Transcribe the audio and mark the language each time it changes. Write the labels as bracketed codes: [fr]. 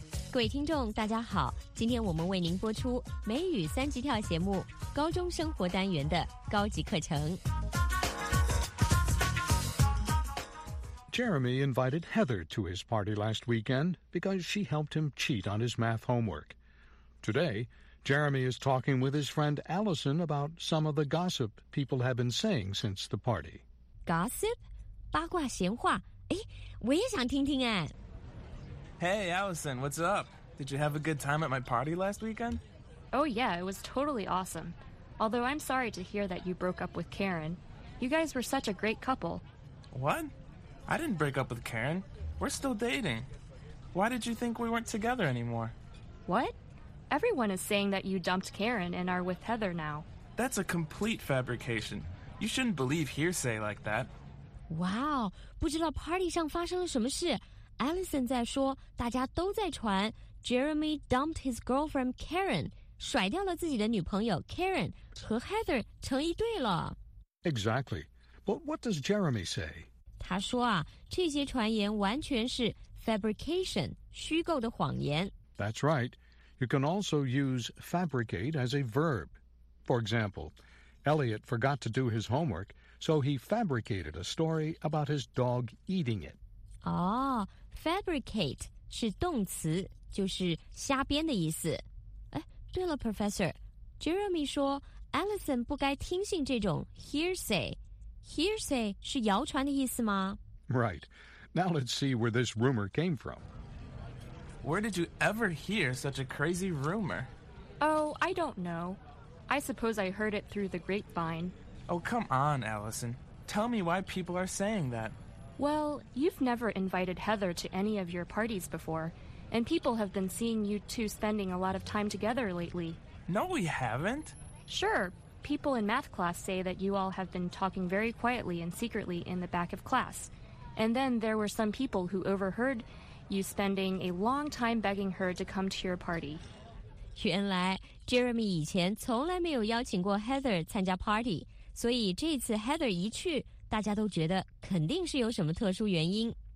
[zh] 各位听众大家好，今天我们为您播出美语三级跳节目高中生活单元的高级课程。 [en] Jeremy invited Heather to his party last weekend because she helped him cheat on his math homework. Today, Jeremy is talking with his friend Allison about some of the gossip people have been saying since the party. Gossip? [zh] 八卦闲话？哎，我也想听听哎。 [en] Hey, Allison, what's up? Did you have a good time at my party last weekend? Oh yeah, it was totally awesome. Although I'm sorry to hear that you broke up with Karen. You guys were such a great couple. What? I didn't break up with Karen. We're still dating. Why did you think we weren't together anymore? What? Everyone is saying that you dumped Karen and are with Heather now. That's a complete fabrication. You shouldn't believe hearsay like that. [zh] Wow, 不知道 party 上发生了什么事。Allison 在说大家都在传 [en] Jeremy dumped his girlfriend Karen, [zh] 甩掉了自己的女朋友 Karen, 和 Heather 成一对了。 [en] Exactly. But what does Jeremy say? [zh] 他说啊，这些传言完全是 fabrication, 虚构的谎言。 [en] That's right. You can also use fabricate as a verb. For example, Elliot forgot to do his homework, so he fabricated a story about his dog eating it. [zh] 哦、oh, fabricate 是动词，就是瞎编的意思。哎，对了 ,Professor, Jeremy 说 Allison 不该听信这种 hearsay,Hearsay 是谣传的意思吗? [en] Right. Now let's see where this rumor came from. Where did you ever hear such a crazy rumor? Oh, I don't know. I suppose I heard it through the grapevine. Oh, come on, Allison. Tell me why people are saying that. Well, you've never invited Heather to any of your parties before, and people have been seeing you two spending a lot of time together lately. No, we haven't. Sure. People in math class say that you all have been talking very quietly and secretly in the back of class. And then there were some people who overheard you spending a long time begging her to come to your party. [zh] 原来 Jeremy 以前从来没有邀请过 Heather 参加 party, 所以这次 Heather 一去大家都觉得肯定是有什么特殊原因。